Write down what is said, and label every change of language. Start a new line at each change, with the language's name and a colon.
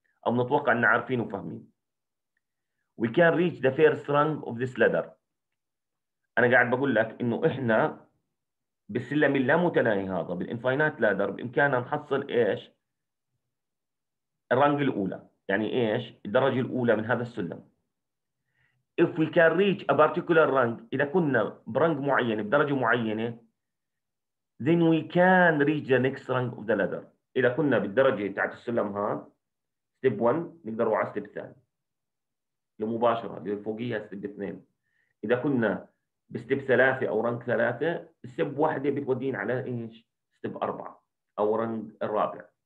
Arabic: او نتوقع ان عارفين وفاهمين.
English: We can reach the first rung of this ladder.
Arabic: انا قاعد بقول لك انه احنا بالسلم اللامتناهي هذا بالانفاينات لادر بامكاننا نحصل ايش؟ الرانج الاولى، يعني ايش؟ الدرجه الاولى من هذا السلم.
English: If we can reach a particular rank،
Arabic: اذا كنا برانج معين بدرجه معينه،
English: then we can reach the next rank of the ladder.
Arabic: اذا كنا بالدرجه تاعت السلم هذا ستيب 1 نقدر نروح على ستيب 2 لمباشره لفوقيها ستيب 2. اذا كنا بستيب ثلاثة أو رانك ثلاثة، ستيب واحدة بتودين على إيش؟ ستيب أربعة أو رانك الرابع.